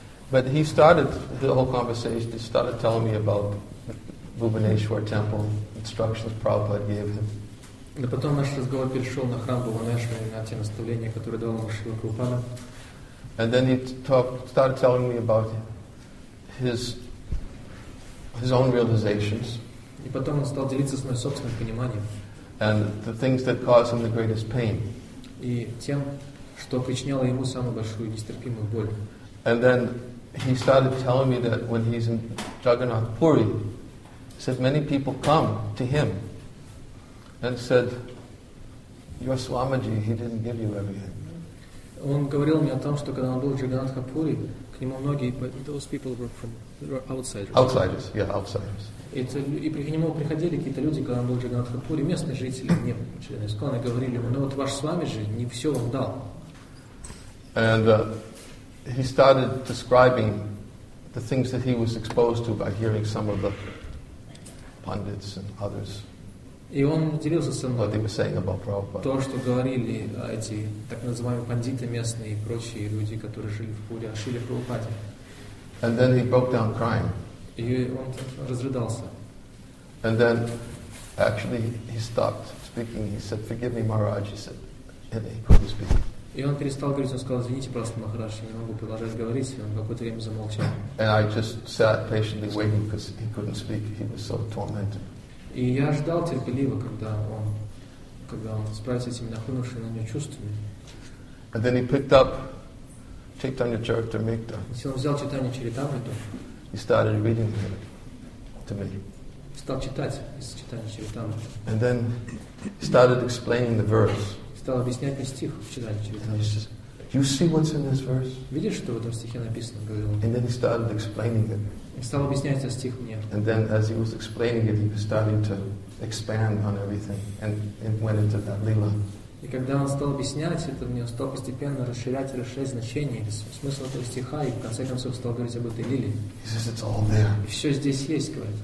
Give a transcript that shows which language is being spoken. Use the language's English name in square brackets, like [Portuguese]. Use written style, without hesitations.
[English] But he started the whole conversation. He started telling me about Bhubaneswar temple. Instructions Prabhupada gave him. [Russian] Да потом наш разговор перешел на храм Бхубанешвар и на те наставления, которые дал ему Шрила Прабхупада. [English] And then he started telling me about his own realizations. [Russian] И потом он стал делиться с моим собственным пониманием. [English] And the things that caused him the greatest pain. [Russian] И тем, что причиняло ему самую большую нестерпимую боль. [English] And then he started telling me that when he's in Jagannath Puri, he said many people come to him and said, your Swamiji, he didn't give you everything. [Russian] Он говорил мне о том, что когда он был в Джаганатхапури, к нему многие, [English] but those people were from outsiders. Outsiders, yeah, outsiders. [Russian] И к нему приходили какие-то люди, когда он был в Джаганатхапури, местные жители, не члены Искона, и говорили ему, ну вот ваш Свами же не все вам дал. [English] And he started describing the things that he was exposed to by hearing some of the pundits and others. [Russian] И он делился со мной [English] what saying about Prabhupada. [Russian] То, что говорили эти так называемые пандиты местные и прочие люди, которые жили в Пури, о Шриле Прабхупаде. [English] And then he broke down crying. [Russian] И он разрыдался. [English] And then, actually, he stopped speaking. He said, "Forgive me, Maharaj." He said, and he couldn't speak. [Russian] И он перестал говорить. Он сказал: "Извините, просто Махарадж, я не могу продолжать говорить." И он какое-то время замолчал. [English] And I just sat patiently waiting because he couldn't speak. He was so tormented. [Russian] И я ждал терпеливо, когда он справится с этими нахлынувшими на него чувствами. [English] And then he picked up Chaitanya Charitamrita. [Russian] И он взял Чайтанья Чаритамриту. [English] He started reading it to me. [Russian] Стал читать из Чайтанья Чаритамриты. [English] And then he started explaining the verse. [Russian] Стал объяснять мне стих в Чайтанья Чаритамриту. [English] And he says, "You see what's in this verse?" [Russian] Видишь, что в этом стихе написано, говорил он. [English] And then he started explaining it. [Russian] Стал объяснять этот стих мне. [English] And then, as he was explaining it, he was starting to expand on everything, and it went into that lila. [Russian] И когда он стал объяснять это мне, стал постепенно расширять значение, смысл этого стиха, и в конце концов стал говорить об этой лиле. [English] He says it's all there. [Russian] И все здесь есть, говорит.